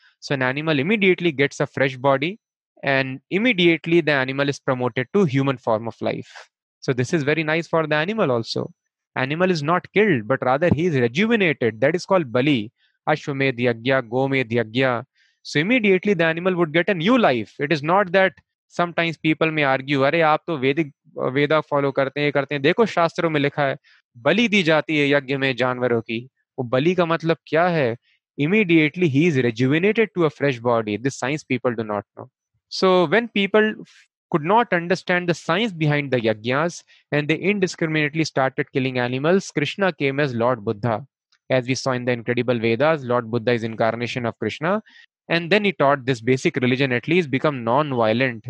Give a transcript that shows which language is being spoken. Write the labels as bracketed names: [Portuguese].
[English] So an animal immediately gets a fresh body and immediately the animal is promoted to human form of life. So this is very nice for the animal also. Animal is not killed, but rather he is rejuvenated. That is called bali, ashwamedh yajna, gomedh yajna. So immediately the animal would get a new life. It is not that sometimes people may argue, [Hindi] अरे आप तो वैदिक वेदा follow करते हैं, करते हैं, देखो शास्त्रों में लिखा है बलि दी जाती है यज्ञ में जानवरों की, वो बलि का मतलब क्या है? [English] Immediately he is rejuvenated to a fresh body. This science people do not know. So when people could not understand the science behind the yajnas and they indiscriminately started killing animals, Krishna came as Lord Buddha. As we saw in the incredible Vedas, Lord Buddha is incarnation of Krishna. And then he taught this basic religion, at least become non-violent.